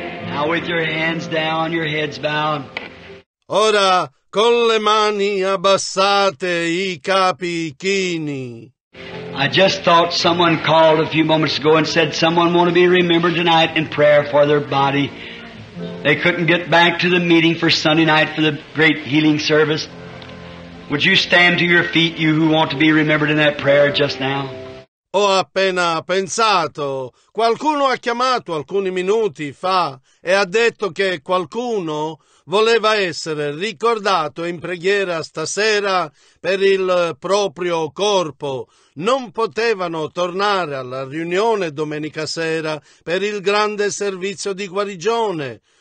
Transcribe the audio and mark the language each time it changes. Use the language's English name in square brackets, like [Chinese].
[English] Now with your hands down, your heads bowed. [Italian] Ora con le mani abbassate, i capi chini. [English] I just thought someone called a few moments ago and said someone want to be remembered tonight in prayer for their body. They couldn't get back to the meeting for Sunday night for the great healing service. Would you stand to your feet, you who want to be remembered in that prayer just now? [Italian] Ho appena pensato. Qualcuno ha chiamato alcuni minuti fa e ha detto che qualcuno voleva essere ricordato in preghiera stasera per il proprio corpo. Non potevano tornare alla riunione domenica sera per il grande servizio di guarigione.